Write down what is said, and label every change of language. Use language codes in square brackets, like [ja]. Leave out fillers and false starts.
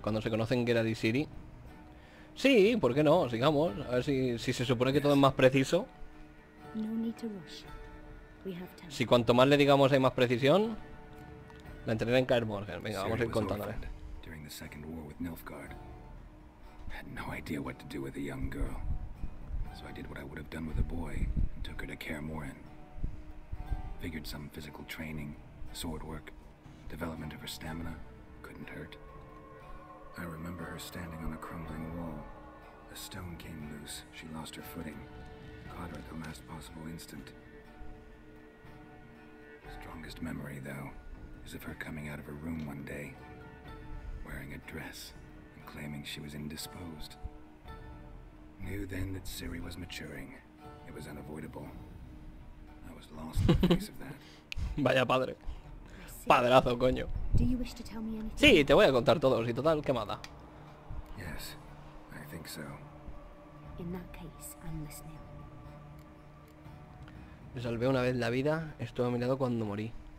[es] Cuando se conocen Geralt y Ciri. Sí, ¿por qué no? Sigamos. A ver si se supone que todo es más preciso. [en] No need to rush. We have time. [es] Si cuanto más le digamos hay más precisión. La entrené en Kaer Morhen. Venga, vamos a ir contándole. [en] During the Second War with Nilfgaard, had no idea what to do with a young girl, so I did what I would have done with a boy and took her to Kaer Morhen. Figured some physical training, sword work, development of her stamina couldn't hurt. I remember her standing on a crumbling wall. A stone came loose. She lost her footing. Caught her at the last possible instant. Strongest memory, though. As if her coming out of her room one day, wearing a dress, and claiming she was indisposed. Knew then that Ciri was maturing. It was unavoidable. I was lost in the face of that. [es] Vaya padre. Padrazo, coño. [en] Do you wish to tell me anything? [es] Sí, te voy a contar todo, si total, ¿qué mata? [en] Yes, I think so. In that case, I'm listening. [es] Me salvé una vez la vida, estuve a mi lado cuando morí.